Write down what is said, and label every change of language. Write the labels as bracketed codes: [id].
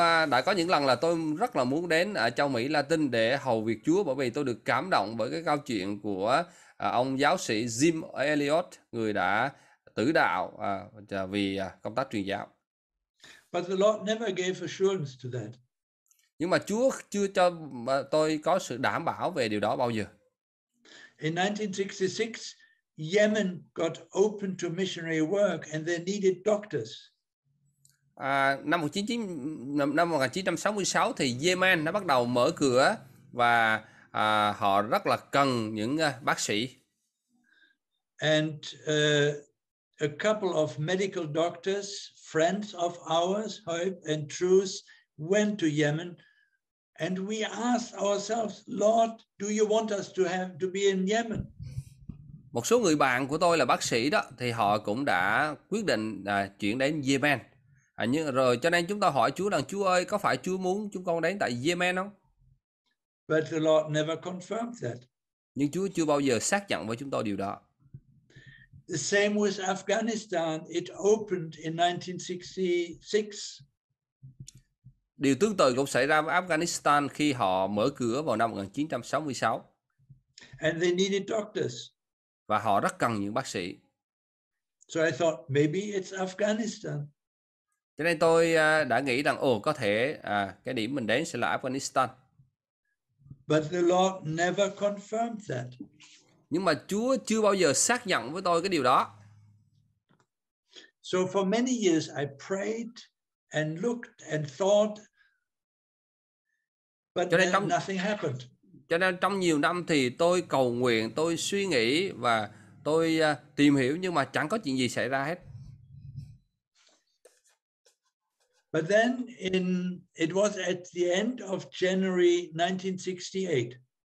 [vi] Đã có những lần là tôi rất là muốn đến ở châu Mỹ Latin để hầu việc Chúa bởi vì tôi được cảm động bởi cái câu chuyện của ông giáo sĩ Jim Elliot, người đã tử đạo vì công tác truyền giáo. [en] But the Lord never gave assurance to that. [vi] Nhưng mà Chúa chưa cho tôi có sự đảm bảo về điều đó bao giờ. [en] In 1966, Yemen got open to missionary work and they needed doctors. [vi] Năm 1966 thì Yemen nó bắt đầu mở cửa và họ rất là cần những bác sĩ. [en] And a couple of medical doctors, friends of ours, Hope and Truth, went to Yemen. And we asked ourselves, Lord, do you want us to be in Yemen? [vi] Một số người bạn của tôi là bác sĩ đó, thì họ cũng đã quyết định chuyển đến Yemen. Nhưng rồi cho nên chúng ta hỏi Chúa rằng, Chúa ơi, có phải Chúa muốn chúng con đến tại Yemen không? [en] But the Lord never confirmed that. [vi] Nhưng Chúa chưa bao giờ xác nhận với chúng tôi điều đó. [en] The same with Afghanistan. It opened in 1966. [vi] Điều tương tự cũng xảy ra với Afghanistan khi họ mở cửa vào năm 1966. [en] And they needed doctors. [vi] Và họ rất cần những bác sĩ. [en] So I thought maybe it's Afghanistan. [vi] Cho nên tôi đã nghĩ rằng có thể cái điểm mình đến sẽ là Afghanistan. [en] But the Lord never confirmed that. [vi] Nhưng mà Chúa chưa bao giờ xác nhận với tôi cái điều đó. [en] So for many years I prayed and looked and thought, but then nothing happened. [vi] Cho nên trong nhiều năm thì tôi cầu nguyện, tôi suy nghĩ và tôi tìm hiểu nhưng mà chẳng có chuyện gì xảy ra hết. [en] But then it was at the end of January 1968.